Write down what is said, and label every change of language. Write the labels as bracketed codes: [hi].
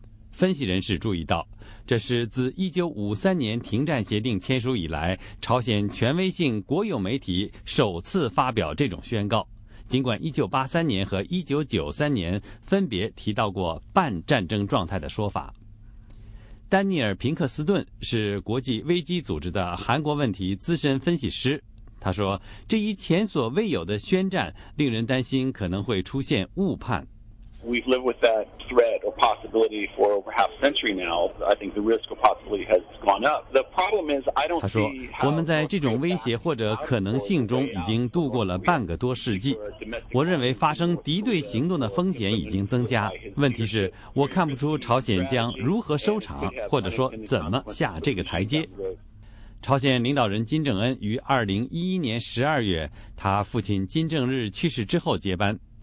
[zh] 分析人士注意到，这是自1953年停战协定签署以来，朝鲜权威性国有媒体首次发表这种宣告，尽管1983年和1993年分别提到过半战争状态的说法。丹尼尔·平克斯顿是国际危机组织的韩国问题资深分析师，他说这一前所未有的宣战令人担心可能会出现误判。 [en] We've lived with that threat or possibility for over half a century now. I think the risk or possibility has gone up. The problem is, I don't see how. [zh] 我们在这种威胁或者可能性中已经度过了半个多世纪。我认为发生敌对行动的风险已经增加。问题是，我看不出朝鲜将如何收场，或者说怎么下这个台阶。朝鲜领导人金正恩于2011年12月，他父亲金正日去世之后接班。